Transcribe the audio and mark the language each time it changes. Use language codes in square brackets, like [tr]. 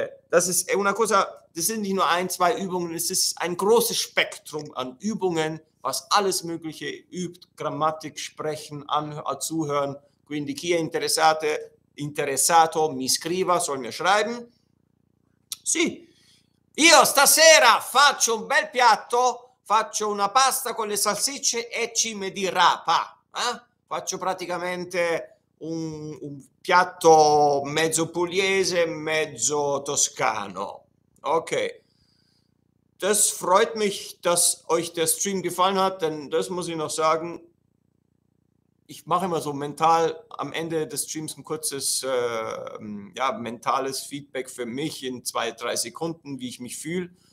[de] Das ist [it] una cosa, [de] das sind nicht nur ein, zwei Übungen, es ist ein großes Spektrum an Übungen, was alles Mögliche übt, Grammatik, Sprechen, Anhören, Zuhören. [it] Quindi chi è interessato, mi scriva, [de] soll mir schreiben. [it] Sì, io stasera faccio un bel piatto, faccio una pasta con le salsicce e cime di rapa. Faccio praticamente un piatto mezzo pugliese, mezzo toscano. [de] Ok, das freut mich, dass euch der Stream gefallen hat, denn das muss ich noch sagen. Ich mache immer so mental am Ende des Streams ein kurzes ja, mentales Feedback für mich in 2, 3 Sekunden, wie ich mich fühle.